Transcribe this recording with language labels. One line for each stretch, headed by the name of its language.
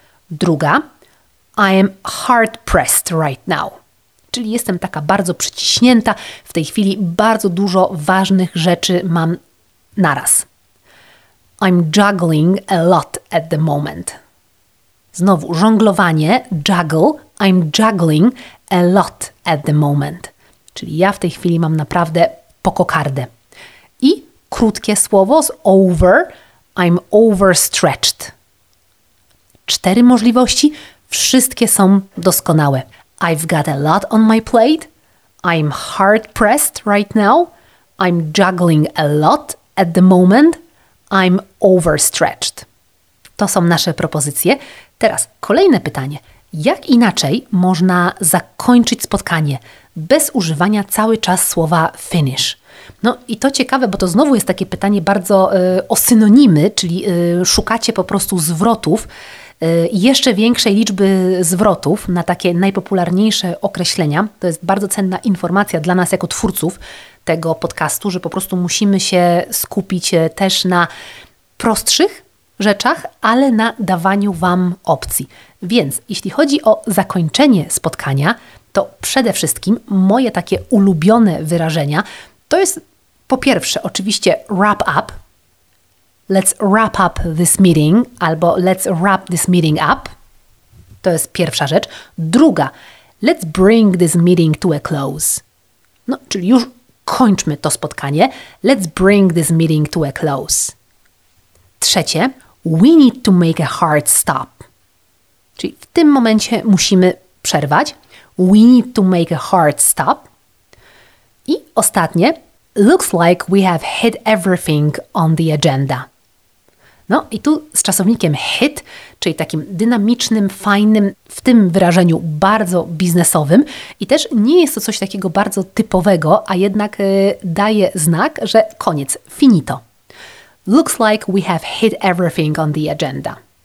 Polish: Druga,
English: I am hard pressed right now.
Polish: Czyli jestem taka bardzo przyciśnięta, w tej chwili bardzo dużo ważnych rzeczy mam naraz.
English: I'm juggling a lot at the moment.
Polish: Znowu, żonglowanie,
English: juggle, I'm juggling a lot at the moment.
Polish: Czyli ja w tej chwili mam naprawdę pokokardę. I krótkie słowo z over,
English: I'm overstretched.
Polish: Cztery możliwości, wszystkie są doskonałe.
English: I've got a lot on my plate, I'm hard pressed right now, I'm juggling a lot at the moment, I'm overstretched.
Polish: To są nasze propozycje. Teraz kolejne pytanie. Jak inaczej można zakończyć spotkanie bez używania cały czas słowa finish? No i to ciekawe, bo to znowu jest takie pytanie bardzo o synonimy, czyli szukacie po prostu zwrotów, jeszcze większej liczby zwrotów na takie najpopularniejsze określenia. To jest bardzo cenna informacja dla nas jako twórców tego podcastu, że po prostu musimy się skupić też na prostszych rzeczach, ale na dawaniu Wam opcji. Więc jeśli chodzi o zakończenie spotkania, to przede wszystkim moje takie ulubione wyrażenia to jest po pierwsze oczywiście wrap up.
English: Let's wrap up this meeting albo let's wrap this meeting up.
Polish: To jest pierwsza rzecz. Druga,
English: let's bring this meeting to a close.
Polish: No, czyli już kończmy to spotkanie.
English: Let's bring this meeting to a close.
Polish: Trzecie,
English: we need to make a hard stop.
Polish: Czyli w tym momencie musimy przerwać.
English: We need to make a hard stop.
Polish: I ostatnie,
English: looks like we have hit everything on the agenda.
Polish: No i tu z czasownikiem hit, czyli takim dynamicznym, fajnym, w tym wyrażeniu bardzo biznesowym i też nie jest to coś takiego bardzo typowego, a jednak daje znak, że koniec, finito.
English: Looks like we have hit everything on the agenda.